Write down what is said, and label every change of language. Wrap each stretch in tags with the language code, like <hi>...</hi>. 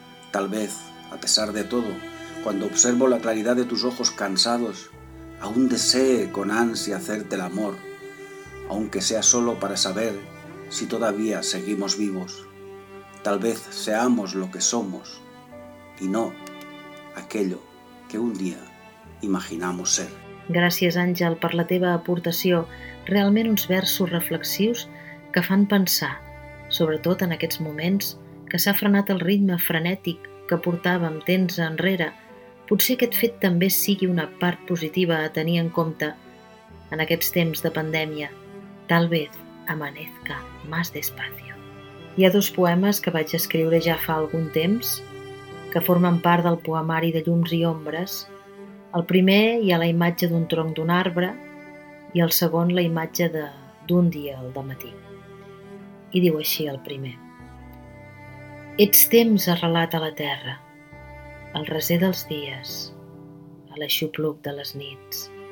<es>Tal vez, a pesar de todo, cuando observo la claridad de tus ojos cansados, aún desee con ansia hacerte el amor, aunque sea solo para saber si todavía seguimos vivos. Tal vez seamos lo que somos y no aquello que un día imaginamos ser.</es> <ca>Gràcies, Àngel, per la teva aportació. Realment uns versos reflexius que fan pensar, sobretot en aquests moments, que s'ha frenat el ritme frenètic que portàvem temps enrere. Potser aquest fet també sigui una part positiva a tenir en compte en aquests temps de pandèmia.</ca> <es>Tal vez amanezca más despacio.</es> <ca>Hi ha dos poemes que vaig escriure ja fa algun temps que formen part del poemari de Llums i Ombres. El primer hi ha la imatge d'un tronc d'un arbre i el segon la imatge d'un dia al dematí. I diu així el primer. Ets temps arrelat a la terra, al reser dels dies, a l'aixopluc de les nits.</ca>